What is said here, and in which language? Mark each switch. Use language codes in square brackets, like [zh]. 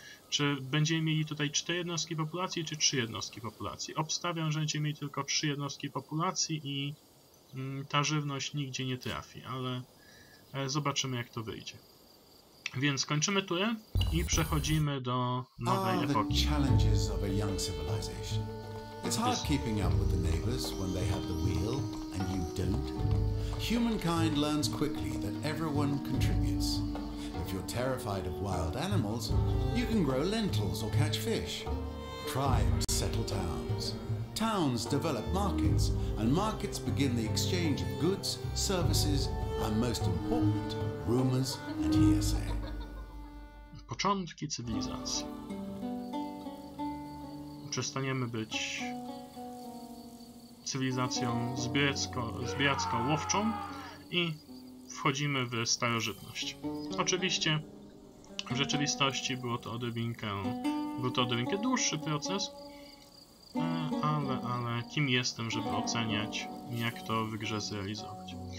[pl] Czy będziemy mieli tutaj 4 jednostki populacji, czy 3 jednostki populacji? Obstawiam, że będziemy mieli tylko 3 jednostki populacji i ta żywność nigdzie nie trafi, ale zobaczymy, jak to wyjdzie. Więc kończymy turę i przechodzimy do nowej epoki. [en] Challenges of a young civilization. It's hard keeping up with the neighbors when they have the wheel and you don't. Humankind learns quickly that everyone contributes. If you're terrified of wild animals, you can grow lentils or catch fish. Tribes settle towns. Towns develop markets, and markets begin the exchange of goods, services, and most important, rumors and hearsay. [pl] Początki cywilizacji. Przestaniemy być cywilizacją zbieracko-łowczą i wchodzimy w starożytność. Oczywiście w rzeczywistości był to odrobinkę dłuższy proces, ale kim jestem, żeby oceniać, jak to w grze zrealizować.